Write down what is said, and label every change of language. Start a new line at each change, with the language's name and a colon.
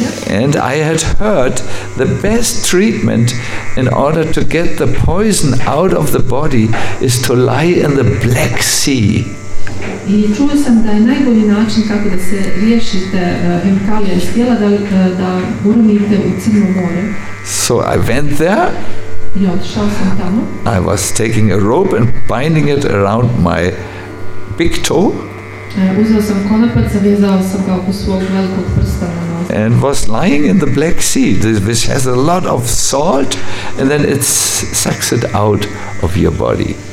English: And I had heard the best treatment in order to get the poison out of the body is to lie in the Black Sea.
Bosnian: I čuo sam da je najbolji način kako da se riješite hemikalija iz tijela da uronite u Crno more.
English: So I went there.
Bosnian: I otišao sam tamo.
English: I was taking a rope and binding it around my big toe.
Bosnian: Uzeo sam konopac, zavezao sam ga oko svog velikog prsta.
English: And was lying in the Black Sea, which has a lot of salt, and then it sucks it out of your body.